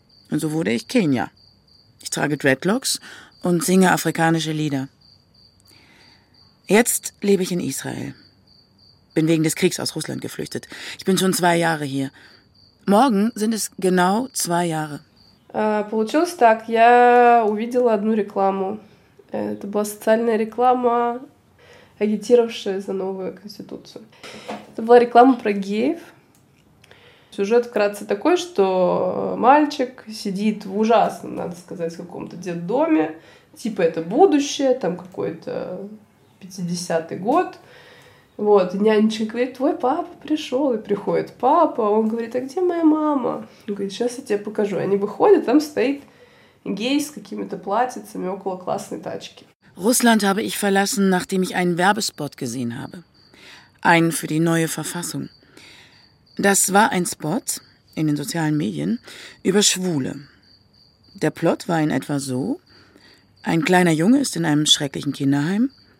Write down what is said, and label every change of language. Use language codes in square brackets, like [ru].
[de] Und so wurde ich Kenya. Ich trage Dreadlocks und singe afrikanische Lieder. Jetzt lebe ich in Israel. Bin wegen des Kriegs aus Russland geflüchtet. Ich bin schon 2 Jahre hier. Morgen sind es genau 2 Jahre. [ru] Получилось так, я увидела одну рекламу. Это была социальная реклама, агитировавшая за новую конституцию. Это была реклама про геев. Сюжет вкратце такой, что мальчик сидит в ужасном, надо сказать, каком-то детдоме. Типа это будущее, там какой-то 50-й год. Вот, нянечка говорит, твой папа пришел, и приходит папа, он говорит, а где моя мама? Он говорит, сейчас я тебе покажу. Они выходят, там стоит гей с какими-то платьицами около классной тачки. [de] Russland habe ich verlassen, nachdem ich einen Werbespot gesehen habe. Einen für die neue Verfassung. Das war ein Spot in den sozialen Medien über Schwule. Der Plot war in etwa so, ein kleiner Junge ist in einem schrecklichen Kinderheim.